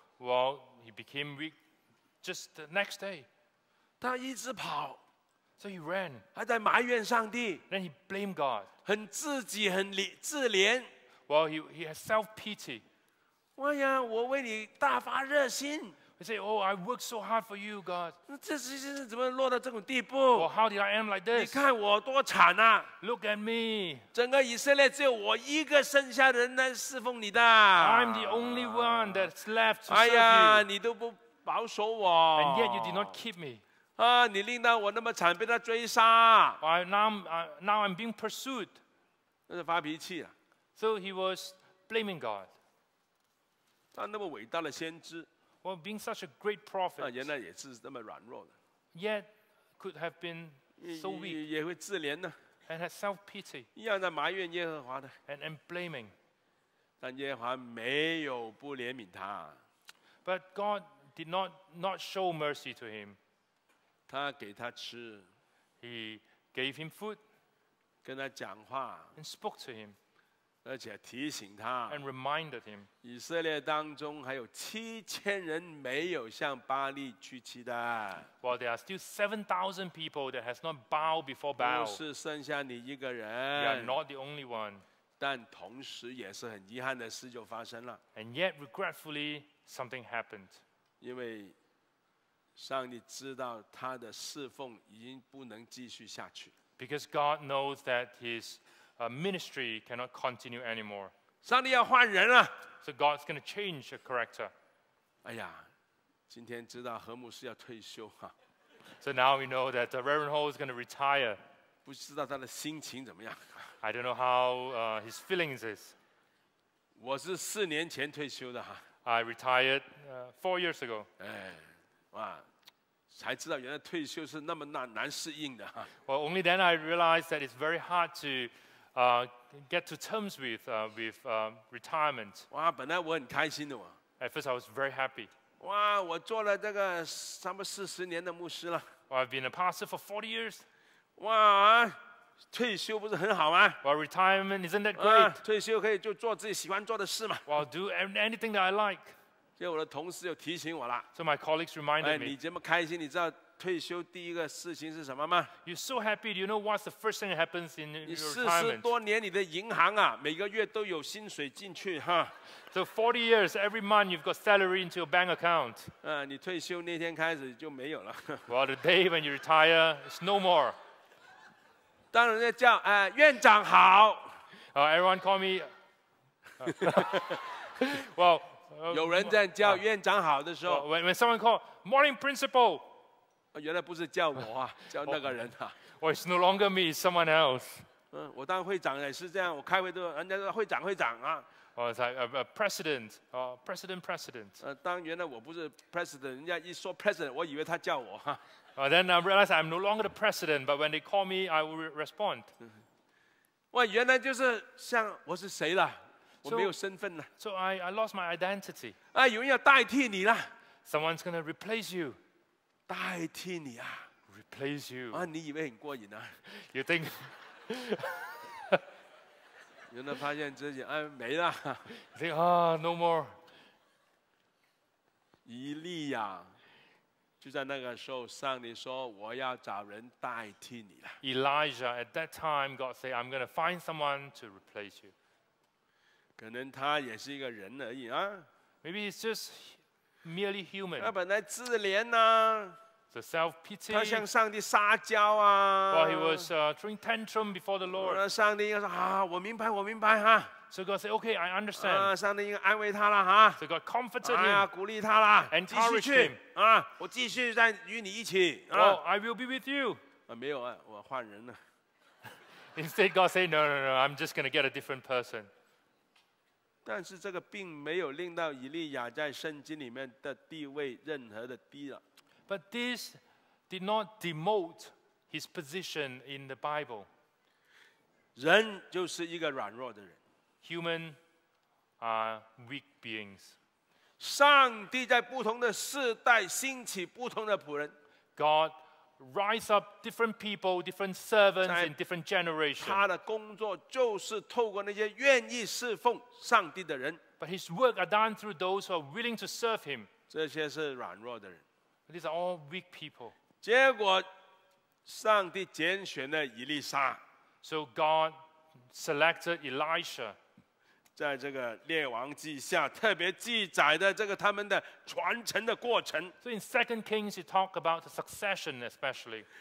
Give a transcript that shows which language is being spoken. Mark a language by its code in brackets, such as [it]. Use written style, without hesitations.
[en] ，Well he became weak just the next day。 [zh] 他一直跑 [en] ，So he ran。 [zh] 还在埋怨上帝 [en] ，Then he blamed God。 [zh] 很自己很自怜 [en] ，Well he had self pity。 [zh] 哎呀，我为你大发热心。 [en] He said, "Oh, I worked so hard for you, God." [zh] 这事情是怎么落到这种地步 [en] ？Well, how did I end like this? [zh] 你看我多惨啊 [en] ！Look at me. [zh] 整个以色列只有我一个剩下的人来侍奉你的。 [en] I'm the only one that's left to serve 哎呀， [zh] 你都不保守我。 [en] And yet you did not keep me. [zh] 啊，你令到我那么惨，被他追杀。 [en] Now I'm being pursued. [zh] 那是发脾气啊。 [en] So he was blaming God. [zh] 他那么伟大的先知。 [en] Well, being such a great prophet, [zh] 原来也是那么软弱的 [en] yet could have been so weak, [zh] 也会自怜呢 [en] and had self pity, [zh] 一样在埋怨耶和华的 [en] and blaming. [zh] 但耶和华没有不怜悯他 [en] but God did not show mercy to him. [zh] 他给他吃 [en] he gave him food, [zh] 跟他讲话 [en] and spoke to him. [zh] 而且提醒他 [en] ，and reminded him， [zh] 以色列当中还有7000人没有向巴利屈膝的。 [en] Well, there are still 7,000 people that has not bowed before Baal。 [zh] 不是剩下你一个人。 [en] You are not the only one。 [zh] 但同时也是很遗憾的事就发生了。 [en] And yet, regretfully, something happened。 [zh] 因为上帝知道他的侍奉已经不能继续下去。 [en] Because God knows that his ministry cannot continue anymore. [zh] 上帝要换人了。 [en] So God's going to change a character. [zh] 哎呀，今天知道何牧师要退休哈。 [en] So now we know that the Reverend Ho is going to retire. [zh] 不知道他的心情怎么样。 [en] I don't know how his feelings is. [zh] 我是四年前退休的哈。 [en] I retired 4 years ago. [zh] 哎，哇，才知道原来退休是那么难适应的哈。 [en] Well, only then I realized that it's very hard to get to terms with retirement. [zh] 哇，本来我很开心的哇。 [en] At first, I was very happy. [zh] 哇，我做了这个差不多40年的牧师了。 [en] Well, I've been a pastor for 40 years. [zh] 哇，退休不是很好吗 [en] ？Well, retirement isn't that great. [zh] 退休可以就做自己喜欢做的事嘛。 [en] Well, do anything that I like. [zh] 所以我的同事又提醒我了。 [en] So my colleagues reminded me. [zh] 你这么开心，你知道退休第一个事情是什么吗 [en] ？You're so happy. Do you know what's the first thing that happens in your retirement? [zh] 40多年，你的银行啊，每个月都有薪水进去哈。 [en] So 40 years, every month you've got salary into your bank account. [zh] 你退休那天开始就没有了。 [en] Well, the day when you retire, it's no more. [zh] 当人家叫院长好。 [en] Everyone call me. well, [zh] 有人在叫院长好的时候。 [en] When someone call morning principal. [zh] 原来不是叫我啊，叫那个人啊。 [en] Well, it's no longer me, it's someone else. [zh] 我当会长也是这样，我开会都人家说会长啊。 [en] Well, it's like a president, president. [zh] 当原来我不是 president, 人家一说 president, 我以为他叫我啊。 [en] Then I realize I'm no longer the president, but when they call me, I will respond. [zh] 哇，原来就是像我是谁了，我没有身份了。 [en] So I lost my identity. [zh] 啊，有人要代替你了。 [en] Someone's going to replace you. [zh] 代替你啊。 [en] Replace you. [zh] 啊，你以为很过瘾啊。 [en] You think? [zh] 原来发现自己哎没了。 [en] You think, ah, no more. [zh] 以利亚。就在那个时候，上帝说：“我要找人代替你了。” [en] Elijah, at that time, God said, "I'm going to find someone to replace you." [zh] 可能他也是一个人而已啊。 [en] Maybe he's just merely human. [zh] 他本来自怜呐。 [en] The self-pity. [zh] 他向上帝撒娇啊。 [en] Well, he was throwing tantrum before the Lord. [zh] 上帝应该说：“啊，我明白哈。” [en] So God said, "Okay, I understand." [zh] 上帝应该安慰他了哈。 [en] So God comforted him. [zh] 鼓励他了。 [en] And encouraged him. [zh] 我继续在与你一起。 [en] Oh, I will be with you. [zh] 没有啊，我换人了。 [en] Instead, God said, "No. I'm just going to get a different person." [zh] 但是这个并没有令到以利亚在圣经里面的地位任何的低了。 [en] But this did not demote his position in the Bible. [zh] 人就是一个软弱的人。 [en] Human are weak beings. [zh] 上帝在不同的世代兴起不同的仆人。 [en] God rise up different people, different servants in different generations. [zh] 他的工作就是透过那些愿意侍奉上帝的人。 [en] But his work are done through those who are willing to serve him. [zh] 这些是软弱的人。 [en] These are all weak people. [zh] 结果上帝拣选了以利沙。 [en] So God selected Elisha. [zh] 在这个列王记下特别记载的这个他们的传承的过程。 [en] So in 2 Kings, you talk about the succession especially.